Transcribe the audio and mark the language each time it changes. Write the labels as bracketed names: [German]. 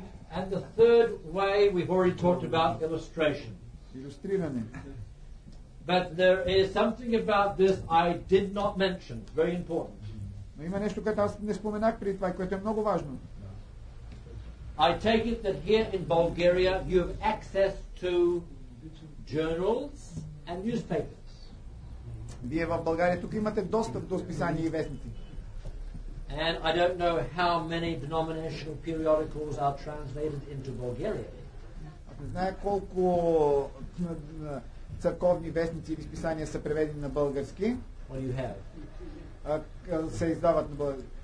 [English] And the third way we've already talked about illustration. [Bulgarian] Илюстриране. [English] But there is something about this I did not mention. Very important. [Bulgarian] Но има нещо, което аз не споменах при това, което е много важно. [English] I take it that here in Bulgaria you have access to journals and newspapers. [Bulgarian] Вие в България тук имате достъп до списания и вестници. [English] And I don't know how many denominational periodicals are translated into Bulgaria. [Bulgarian] Не знае колко църковни вестници или списания са преведени на български. [English] What do you have? [Bulgarian] Се издават на български.